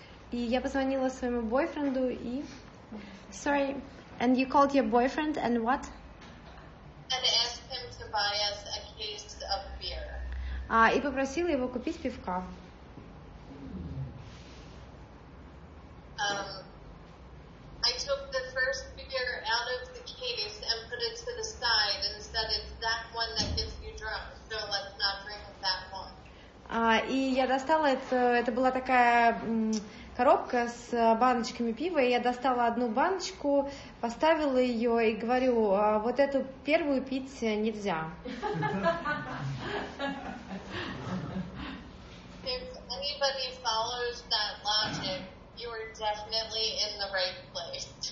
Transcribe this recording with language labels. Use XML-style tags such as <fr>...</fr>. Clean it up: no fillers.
<ru>И я позвонила своему бойфренду и...</ru> <en>Sorry, and you called your boyfriend and what? And asked him to buy us a case of beer.</en> <ru>А, и попросила его купить пивка.</ru> <en>I took the first beer out of the case and put it to the side and said it's that one that gets you drunk, so let's not drink that one.</en> <ru>И я достала это была такая коробка с баночками пива, и я достала одну баночку, поставила ее и говорю, вот эту первую пить нельзя.</ru> <en>If anybody follows that logic, you are definitely in the right place.</en>